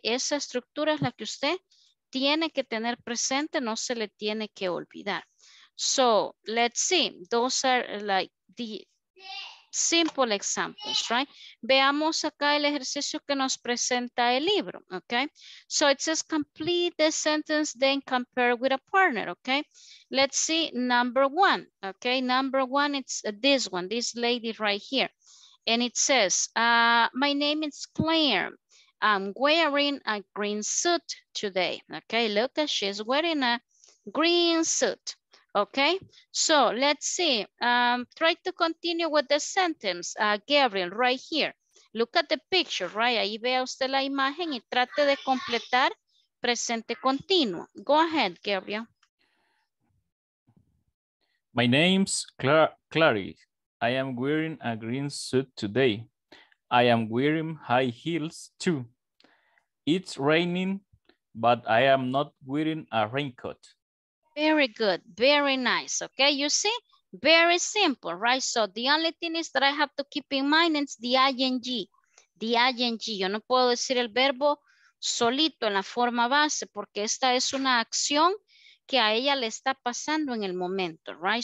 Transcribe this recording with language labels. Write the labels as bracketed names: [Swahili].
[Spanish] Esa estructura es la que usted tiene que tener presente, no se le tiene que olvidar. [English] So, let's see. Those are like the simple examples, right? [Spanish] Veamos acá el ejercicio que nos presenta el libro, okay? [English] So it says complete the sentence, then compare with a partner, okay? Let's see number one, okay? Number one, it's this one, this lady right here. And it says, my name is Claire. I'm wearing a green suit today, okay? Look, she's wearing a green suit. Okay, so let's see. Try to continue with the sentence, Gabriel, right here. Look at the picture, right? [Spanish] Ahí vea usted la imagen y trate de completar presente continuo. [English] Go ahead, Gabriel. My name's Clarice. I am wearing a green suit today. I am wearing high heels too. It's raining, but I am not wearing a raincoat. Very good, very nice, okay? You see, very simple, right? So the only thing is that I have to keep in mind is the ing. [Spanish] Yo no puedo decir el verbo solito en la forma base porque esta es una acción que a ella le está pasando en el momento, right?